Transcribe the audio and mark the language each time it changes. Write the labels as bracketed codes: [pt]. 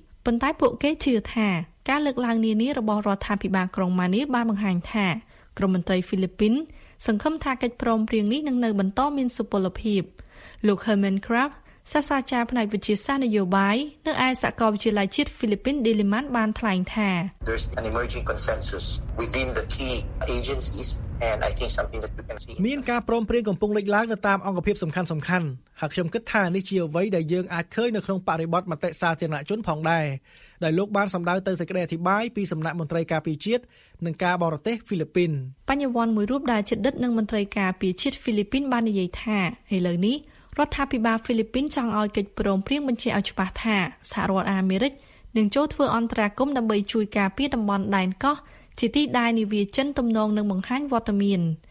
[km] ប៉ុន្តែពួកគេជឿថាការលើកឡើងនានារបស់រដ្ឋាភិបាលក្រុងម៉ានីលបានបង្ហាញថាក្រុមមន្ត្រីហ្វីលីពីនសង្ឃឹមថាកិច្ចព្រមព្រៀងនេះនឹងនៅបន្តមានសុពលភាពលោក Herman Kraft សាស្ត្រាចារ្យផ្នែកវិទ្យាសាស្ត្រនយោបាយនៅឯសាកលវិទ្យាល័យជាតិហ្វីលីពីនដេលីម៉ាន់បានថ្លែងថា [en] There's an emerging consensus within the key agencies and I think something that you can see [km] មានការព្រមព្រៀងកំពុងលេចឡើងទៅតាមអង្គភាពសំខាន់ៗហើយខ្ញុំគិតថានេះជាអ្វីដែលយើងអាចឃើញនៅក្នុងបរិបទមតិសាធារណជនផងដែរដែលលោកបានសម្ដៅទៅសេចក្តីអធិប្បាយពីសំណាក់មន្ត្រីការពារជាតិនិងការបរទេសហ្វីលីពីន បញ្ញវន្តមួយរូបដែលជិតដិតនឹងមន្ត្រីការពារជាតិហ្វីលីពីនបាននិយាយថាឥឡូវនេះរដ្ឋាភិបាលហ្វីលីពីនចង់ឲ្យកិច្ចព្រមព្រៀងបញ្ជាក់ឲ្យច្បាស់ថាសហរដ្ឋអាមេរិកនឹងចូលធ្វើអន្តរាគមន៍ដើម្បីជួយការពារតំបន់ដែនកោះជាទីដែលនាវាចិនទំនងនឹងបង្ហាញវត្តមាន